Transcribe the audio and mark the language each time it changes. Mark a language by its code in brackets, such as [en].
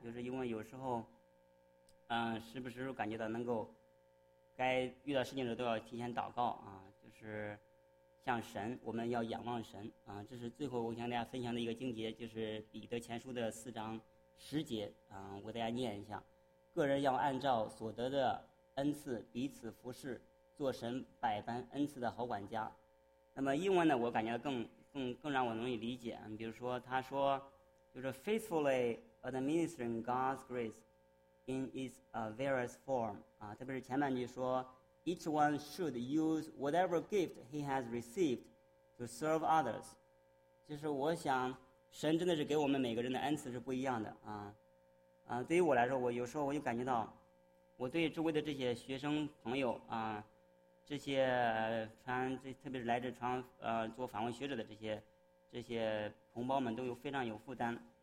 [zh] 就是因为有时候，时不时感觉到能够，该遇到事情的时候都要提前祷告就是向神，我们要仰望神这是最后我想大家分享的一个经节，就是彼得前书的4章10节我给大家念一下：个人要按照所得的恩赐彼此服侍，做神百般恩赐的好管家。那么英文呢，我感觉更让我容易理解。比如说，他说就是 [en] faithfully administering God's grace in its various form [zh] 特别是前半句说 [en] each one should use whatever gift he has received to serve others。 [zh] 就是我想神真的是给我们每个人的恩赐是不一样的对于我来说，我有时候我就感觉到，我对周围的这些学生朋友这些特别是来自做访问学者的这些同胞们都有非常有负担。